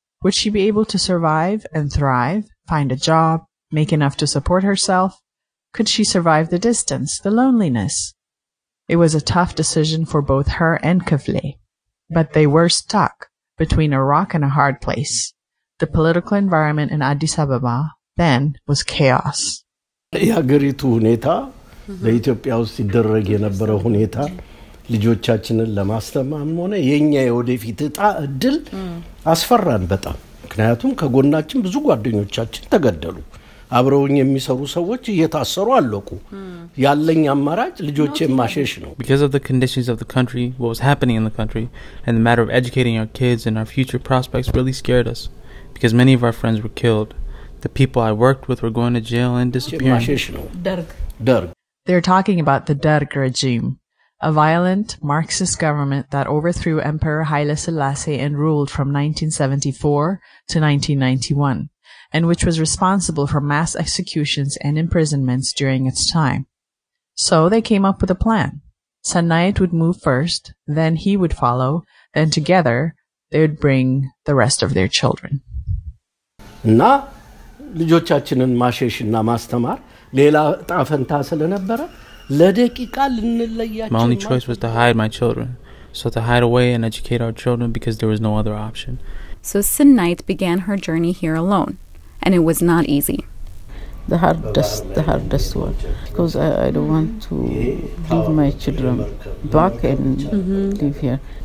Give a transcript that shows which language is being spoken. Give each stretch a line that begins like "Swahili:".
English: Would she be able to survive and thrive, find a job, make enough to support herself? Could she survive the distance, the loneliness? It was a tough decision for both her and Kifle, but they were stuck between a rock and a hard place. The political environment in Addis Ababa then was chaos.
Amharic: የሀገሪቱ ሁኔታ በኢትዮጵያ ውስጥ ይደረግ የነበረው ሁኔታ ልጆቻችንን ለማስተማም ሆነ የኛ የወደፊት እጣ እድል አስፈራን በጣም ምክንያቱም ከጎናችን ብዙ ጓደኞቻችን ተገደሉ አብረውኝ የሚሰሩ ሰዎች እየታሰሩ አለቁ ያለኝ አማራጭ ልጆቼን ማሸሽ ነው
English: because of the conditions of the country what was happening in the country and the matter of educating our kids and our future prospects really scared us because many of our friends were killed the people I worked with were going to jail and disappearing derg they're talking about the derg regime a violent marxist government that overthrew emperor haile selassie and ruled from 1974 to 1991 and which was responsible for mass executions and imprisonments during its time so they came up with a plan Sunlight would move first then he would follow then together they'd bring the rest of their children
Amharic: እና ልጆቻችንን ማሸሽና ማስተማር ሌላ ጣፈንታ ስለነበረ ለደቂቃ ልንለያቸው
English: My only choice was to hide my children. So to hide away and educate our children because there was no other option. So Sunlight began her journey here alone. And it was not easy. The hardest one. Because I don't want to leave my children back and live here.